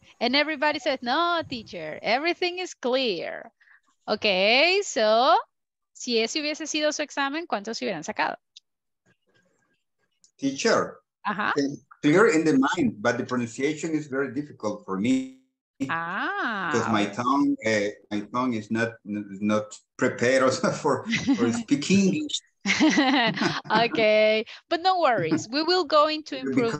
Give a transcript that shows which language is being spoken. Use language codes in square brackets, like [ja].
[en] And everybody says, no, teacher, everything is clear. Okay, so... [es] Si ese hubiese sido su examen, ¿cuántos se hubieran sacado? [en] Teacher. Ajá. Clear in the mind, but the pronunciation is very difficult for me. Ah. Because my tongue is not prepared for speaking English. Okay. But no worries. We will go into improve